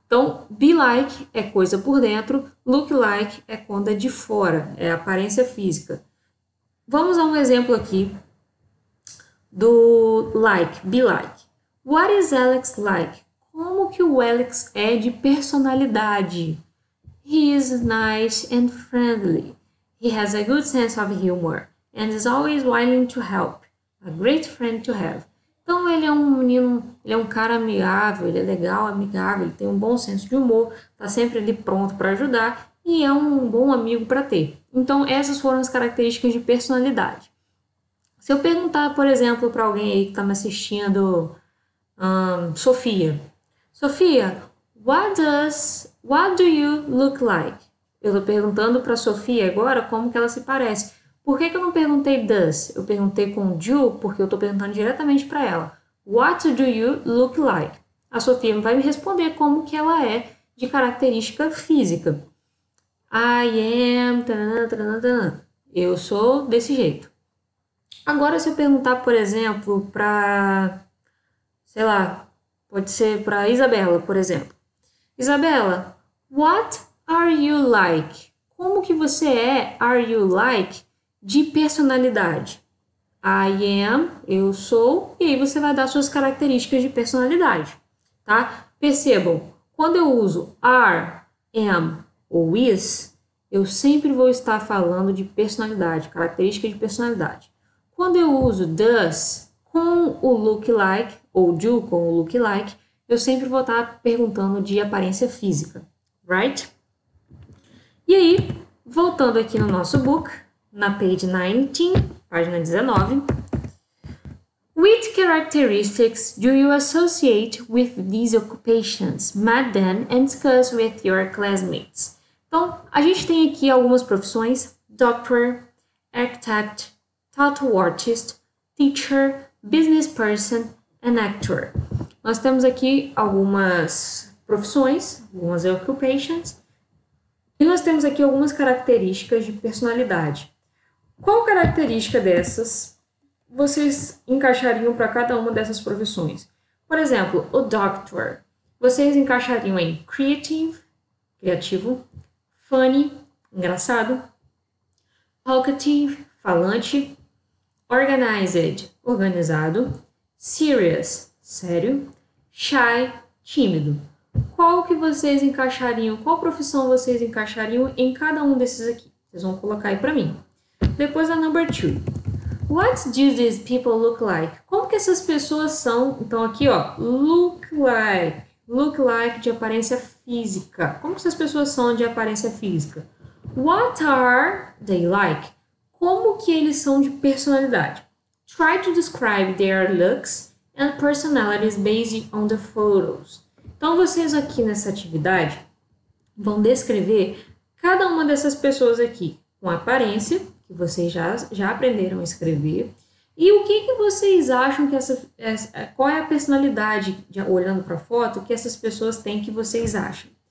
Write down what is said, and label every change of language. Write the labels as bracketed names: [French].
[Portuguese] Então, be like é coisa por dentro, look like é quando é de fora, é aparência física. Vamos a um exemplo aqui do like, be like. [English] What is Alex like? [Portuguese] Como que o Alex é de personalidade? [English] He is nice and friendly. He has a good sense of humor and is always willing to help. A great friend to have. [Portuguese] Então ele é um menino, ele é um cara amigável, ele é legal, amigável, ele tem um bom senso de humor, tá sempre ali pronto para ajudar e é um bom amigo para ter. Então essas foram as características de personalidade. Se eu perguntar, por exemplo, para alguém aí que tá me assistindo, Sofia. [English] Sofia, what do you look like? [Portuguese] Eu estou perguntando para a Sofia agora como que ela se parece. Por que que eu não perguntei does? Eu perguntei com do, porque eu estou perguntando diretamente para ela. [English] What do you look like? [Portuguese] A Sofia vai me responder como que ela é de característica física. [English] I am... [Portuguese] Tanana, tanana, tanana. Eu sou desse jeito. Agora, se eu perguntar, por exemplo, para... Sei lá... Pode ser para Isabela, por exemplo. [English] Isabela, what are you like? [Portuguese] Como que você é, [English] are you like, [Portuguese] de personalidade? [English] I am, [Portuguese] eu sou, e aí você vai dar suas características de personalidade, tá? Percebam, quando eu uso are, am ou is, eu sempre vou estar falando de personalidade, característica de personalidade. Quando eu uso does, com o look like ou do com o look like, eu sempre vou estar perguntando de aparência física, right? E aí, voltando aqui no nosso book, na page 19, página 19. [English] Which characteristics do you associate with these occupations? Madam, and discuss with your classmates. [Portuguese] Então, a gente tem aqui algumas profissões: [English] doctor, architect, tattoo artist, teacher, business person and actor. [Portuguese] Nós temos aqui algumas profissões, algumas occupations, e nós temos aqui algumas características de personalidade. Qual característica dessas vocês encaixariam para cada uma dessas profissões? Por exemplo, o doctor. Vocês encaixariam em creative, criativo, funny, engraçado, talkative, falante, organized, organizado, serious, sério, shy, tímido. Qual que vocês encaixariam? Qual profissão vocês encaixariam em cada um desses aqui? Vocês vão colocar aí para mim. Depois a [English] number two. What do these people look like? [Portuguese] Como que essas pessoas são? Então aqui, ó, look like de aparência física. Como que essas pessoas são de aparência física? [English] What are they like? [Portuguese] Como que eles são de personalidade? [English] Try to describe their looks and personalities based on the photos. [Portuguese] Então, vocês aqui nessa atividade vão descrever cada uma dessas pessoas aqui com aparência, que vocês já aprenderam a escrever, e o que que vocês acham que qual é a personalidade, olhando para a foto, que essas pessoas têm que vocês acham.